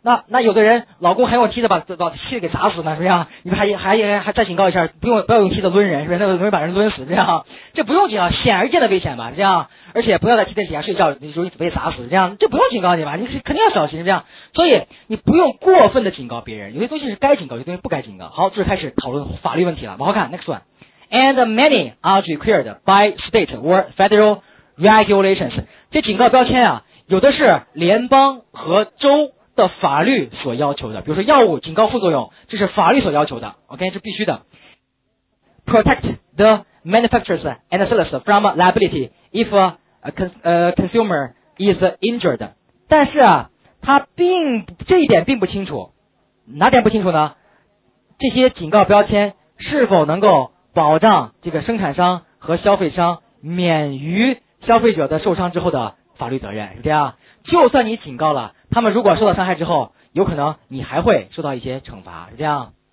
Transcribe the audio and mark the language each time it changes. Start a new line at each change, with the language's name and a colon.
Chinese: 那有的人老公还用梯子把梯子给砸死呢，是这样。你们还再警告一下，不要用梯子抡人，是不是？那容易把人抡死，这样。这不用警告，显而易见的危险吧，这样。而且不要在梯子底下睡觉，你容易被砸死，这样。这不用警告你吧，你肯定要小心，这样。所以你不用过分的警告别人，有些东西是该警告，有些东西不该警告。好，这是开始讨论法律问题了，往后看 ， next one。
English: And many are required by state or federal regulations。
Chinese: 这警告标签啊，有的是联邦和州的法律所要求的，比如说药物警告副作用，这是法律所要求的。 OK， 这必须的。
English: Protect the manufacturers and sellers from liability if a consumer is injured。
Chinese: 但是啊，他并这一点并不清楚，哪点不清楚呢？这些警告标签是否能够保障这个生产商和消费商免于消费者的受伤之后的法律责任，是这样。就算你警告了他们，如果受到伤害之后，有可能你还会受到一些惩罚，是这样。